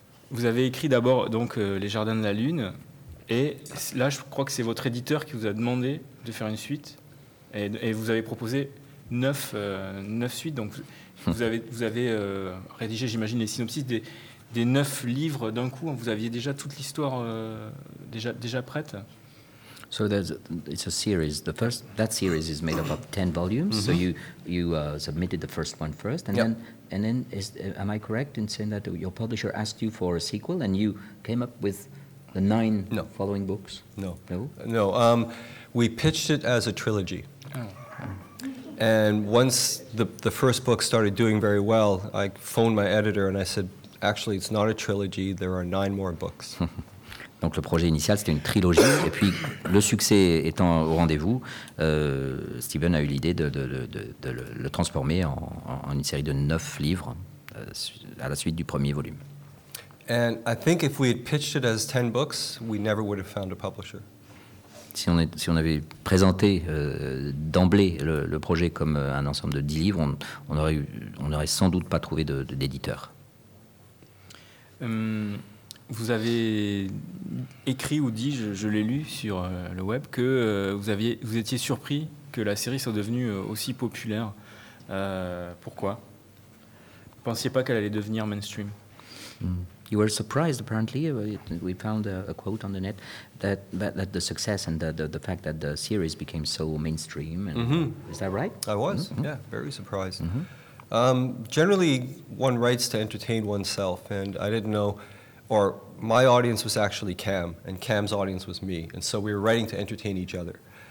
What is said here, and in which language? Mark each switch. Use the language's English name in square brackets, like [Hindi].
[French] Vous avez écrit d'abord donc Les Jardins de la Lune. Et là, je crois que c'est votre éditeur qui vous a demandé de faire une suite. Et vous avez proposé 9 suites. Donc, vous avez rédigé, j'imagine, les synopsis des 9 livres d'un coup. Vous aviez déjà toute l'histoire déjà prête. [English] So it's a series. The first that series is made up of 10 volumes. Mm-hmm. So you submitted the first one first, and am I correct in saying that your publisher asked you for a sequel, and you came up with the nine following books? No. We pitched it as a trilogy. And once the first book started doing very well, I phoned my editor and I said, actually, it's not a trilogy, there are nine more books. [French] Donc le projet initial, c'était une trilogie. Et puis, le succès étant au rendez-vous, Stephen a eu l'idée de le transformer en une série de neuf livres à la suite du premier volume. [English] And I think if we had pitched it as 10 books, we never would have found a publisher. [French] Si on avait présenté d'emblée le projet comme un ensemble de 10 livres, on aurait sans doute pas trouvé d'éditeur. Vous avez écrit ou dit, je l'ai lu sur le web, que vous étiez surpris que la série soit devenue aussi populaire. Pourquoi ? Vous ne pensiez pas qu'elle allait devenir mainstream ? [English] You were surprised, apparently. We found a quote on the net that the success and the fact that the series became so mainstream. And, mm-hmm. Is that right? I was, mm-hmm. Yeah, very surprised. Mm-hmm. Generally, one writes to entertain oneself, and I didn't know, or my audience was actually Cam, and Cam's audience was me, and so we were writing to entertain each other.